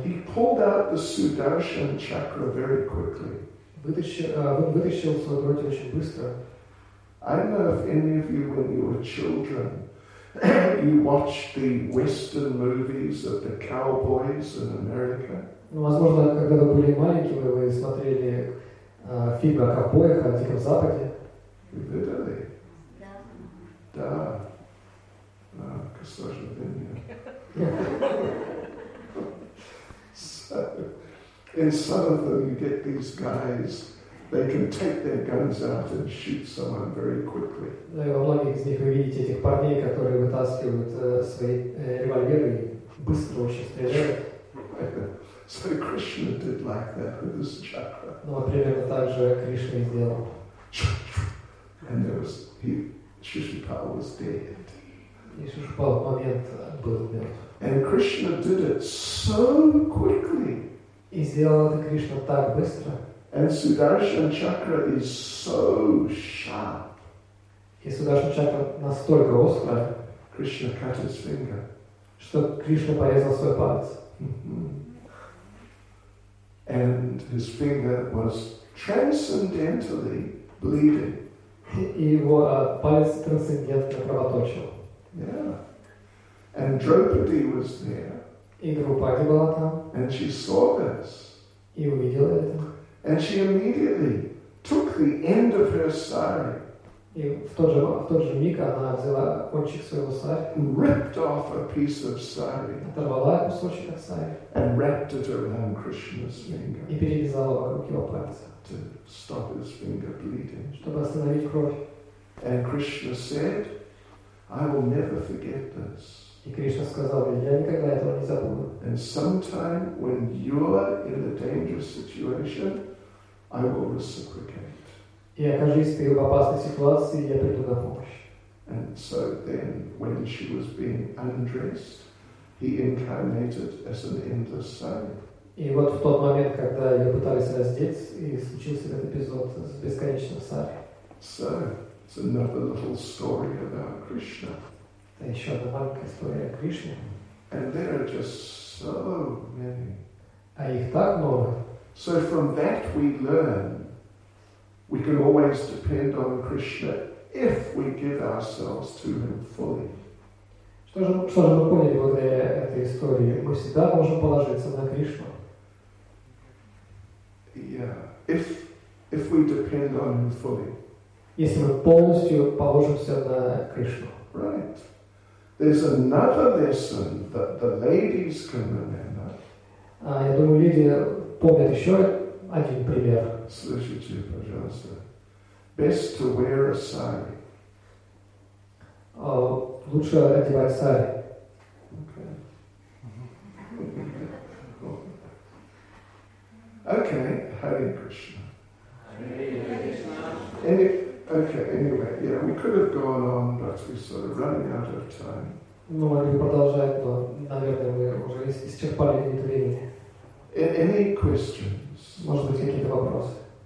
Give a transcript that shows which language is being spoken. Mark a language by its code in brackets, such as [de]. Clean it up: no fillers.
[en] he pulled out the Sudarshan chakra very quickly. [ru] Вытащил свою грудь очень быстро. [en] I don't know if any of you, when you were children, you watch the Western movies of the cowboys in America. [ru] Ну, возможно, когда вы были маленькими, вы смотрели фильме о ковбоях, о Диком Западе. Видели? Да. Да. К сожалению. [en] In some of them, you get these guys, they can take their guns out and shoot someone very quickly. [ru] Ну и во многих из них вы видите этих парней, которые вытаскивают свои револьверы и быстро очень стреляют. [en] So Krishna did like that with his chakra. [ru] Ну, примерно так же Кришна сделал. [en] And there was he, Шишупала was dead. [ru] И Шишупала в момент был мертв. [en] And Krishna did it so quickly. [ru] И сделал это Кришна так быстро. [en] And Sudarshan chakra is so sharp. [ru] И Sudarshan chakra настолько остро. [en] Krishna cut his finger. [ru] Что Кришна порезал свой палец. [en] And his finger was transcendentally bleeding. [ru] И его палец трансцендентно кровоточил. [en] Yeah. And Draupadi was there. [ru] И Драупади была там. [en] And she saw this. [ru] И увидела это. [en] And she immediately took the end of her sari. [ru] И в тот же миг она взяла кончик своего сари. [en] Ripped off a piece of sari. [ru] Оторвала кусочек от сари. [en] And wrapped it around Krishna's finger. [ru] И перевязала вокруг его пальца. [en] To stop his finger bleeding. [ru] Чтобы остановить кровь. [en] And Krishna said, I will never forget this. [ru] И Кришна сказал мне, я никогда этого не забуду. [en] And sometime when you're in a dangerous situation, I will reciprocate. [ru] И окажись ты в опасной ситуации, я приду на помощь. [en] And so then, when she was being undressed, he incarnated as an endless sign. [ru] И вот в тот момент, когда ее пытались раздеть, и случился этот эпизод с бесконечным сари. [en] So, it's another little story about Krishna. [ru] Это еще одна маленькая история о Кришне. [en] And there are just so many. [ru] А их так много. [en] So from that we learn, we can always depend on Krishna if we give ourselves to him fully. [ru] Что же мы поняли вот для этой истории? Мы всегда можем положиться на Кришну. [en] Yeah. If we depend on him fully. [ru] Если мы полностью положимся на Кришну. [en] Right. There's another lesson that the ladies can remember. [ru] Я думаю, люди помнят еще один пример. Слышите, пожалуйста. [en] Best to wear a sari. [ru] Лучше одевать сари. [en] Okay. Hare Krishna. Hare Krishna. Anyway, yeah, we could have gone on, but we're sort of running out of time. [ru] Ну, могли бы продолжать, но, наверное, мы уже исчерпали это время. [en] Any questions? [ru] Может быть, какие-то вопросы?